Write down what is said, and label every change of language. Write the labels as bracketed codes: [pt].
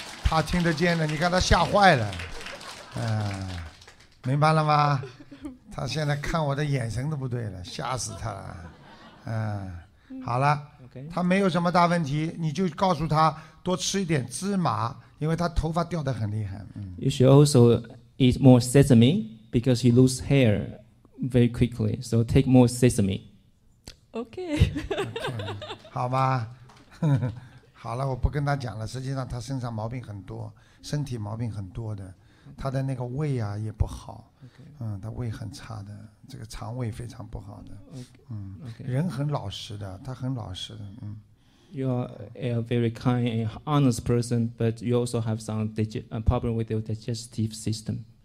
[zh] 他听得见的，你看他吓坏了。明白了吗？他现在看我的眼神都不对了，吓死他了。好了。 [en] Okay. [zh] 他没有什么大问题，你就告诉他多吃一点芝麻，因为他头发掉得很厉害。 [en] You should also eat more sesame because he lose hair very quickly. So take more sesame. Okay. Okay. [zh] 好吗？好了，我不跟他讲了。实际上他身上毛病很多，身体毛病很多的，他的那个胃啊也不好。他胃很差的，这个肠胃非常不好的。人很老实的，他很老实的。 [en] You are a very kind and honest person, but you also have some problem with your digestive system.